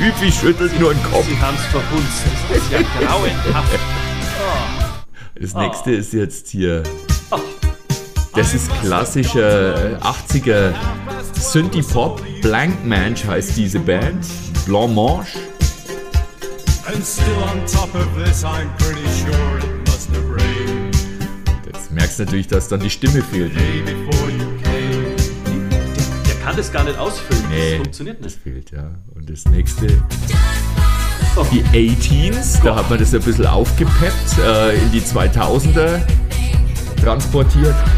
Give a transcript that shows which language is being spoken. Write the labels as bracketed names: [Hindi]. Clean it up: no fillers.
[German] Der Küfi schüttelt nur den Kopf. Sie haben es verhunzt. Das ist ja grauenhaft. Das nächste ist jetzt hier. Das ist klassischer 80er Synthie-Pop. Blank Mange heißt diese Band. Blanc Mange. [English] And still on top of this, I'm pretty sure it must have rained. [German] Jetzt merkst du natürlich, dass dann die Stimme fehlt. [English] Hey, before you came. [German] Der kann das gar nicht ausfüllen. Nee, das funktioniert nicht. Das fehlt, ja. Und das nächste. Die 18s, da hat man das ein bisschen aufgepeppt, in die 2000er transportiert.